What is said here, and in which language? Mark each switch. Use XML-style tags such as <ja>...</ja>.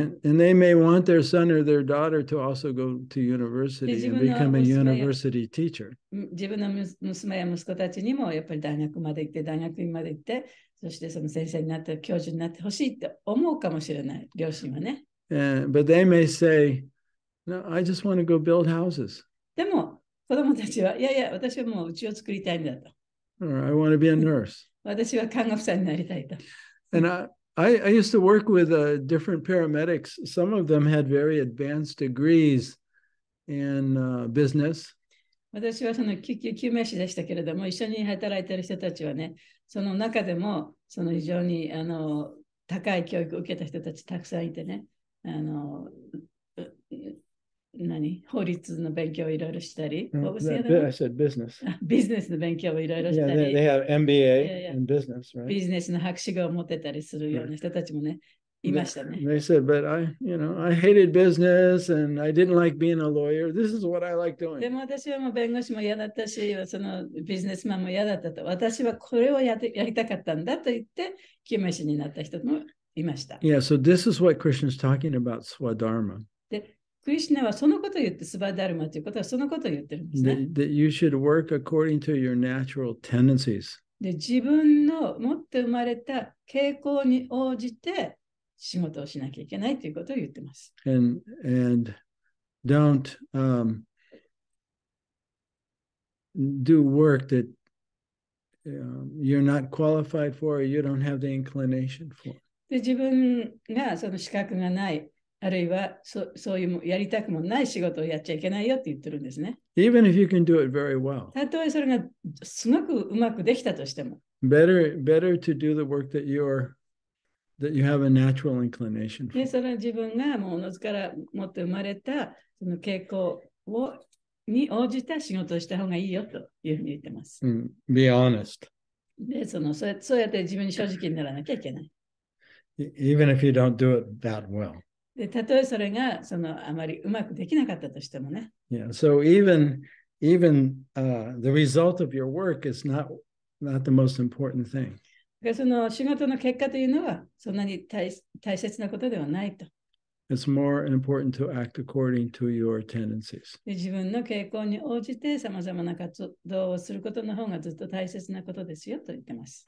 <en>And they may want their son or their daughter to also go to university and become a university teacher.</en> <ja>自分の娘や息子たちにもやっぱり大学院まで行って、そしてその先生になって教授になってほしいって思うかもしれない。両親はね。</ja> <en>But they may say, "No, I just want to go build houses."</en> <ja>でも子供たちはいやいや、私はもう家を作りたいんだと。</ja> <en>Or I want to be a nurse.</en> <ja>私は看護婦さんになりたいと。</ja> <en>And I used to work with different paramedics. Some of them had very advanced degrees in business.</en> <ja>私はその救急救命士でしたけれども、一緒に働いている人たちはね、その中でもその非常にあの高い教育を受けた人たちたくさんいてね、あの何法律の勉強をいろいろしたり、</ja> <en>I said business.</en> <ja>ビジネスの勉強をいろいろしたり、</ja> <en>yeah, they have MBA in business, right?</en> <ja>ビジネスの博士号を持ってたりするような人たちもね、いましたね。</ja> <en>They said, but I, you know, I hated business and I didn't like being a lawyer. This is what I like doing.</en> <ja>でも私はもう弁護士も嫌だったし、そのビジネスマンも嫌だったと、私はこれをやりたかったんだと言って救命士になった人もいました。</ja> <en>Yeah, so this is what Krishna's talking about, Swadharma.</en> <ja>クリシナはそのことを言って、スバダルマということはそのことを言ってるんですね。</ja> <en>That you should work according to your natural tendencies.</en> <ja>で、自分の持って生まれた傾向に応じて仕事をしなきゃいけないということを言ってます。</ja> <en>And don't do work that you're not qualified for or you don't have the inclination for.</en> <ja>で、自分がその資格がない、あるいはそういうやりたくもない仕事をやっちゃいけないよって言ってるんですね。</ja> <en>Even if you can do it very well.</en> <ja>たとえそれがすごくうまくできたとしても。</ja> <en>Better to do the work that you have a natural inclination for.</en> <ja>で、それは自分がもうおのずから持って生まれたその傾向をに応じた仕事をした方がいいよというふうに言ってます。</ja> <en>Be honest.</en> <ja>で、そうやって自分に正直にならなきゃいけない。</ja> <en>Even if you don't do it that well.</en> <ja>で、たとえそれがそのあまりうまくできなかったとしてもね。</ja> <en>Yeah, so even the result of your work is not the most important thing.</en> <ja>で、その仕事の結果というのはそんなに大切なことではないと。</ja> <en>It's more important to act according to your tendencies.</en> <ja>で、自分の傾向に応じてさまざまな活動をすることの方がずっと大切なことですよと言ってます。</ja>